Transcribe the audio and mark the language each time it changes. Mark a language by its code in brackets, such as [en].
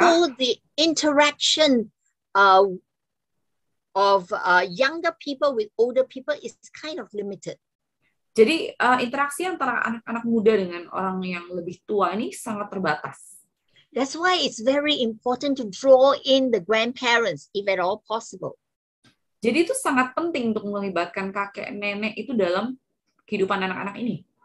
[en] So the interaction of younger people with older people is kind of limited. [id] Jadi interaksi antara anak-anak muda dengan orang yang lebih tua ini sangat terbatas. [en] That's why it's very important to draw in the grandparents if at all possible. [id] Jadi itu sangat penting untuk melibatkan kakek nenek itu dalam kehidupan anak-anak ini.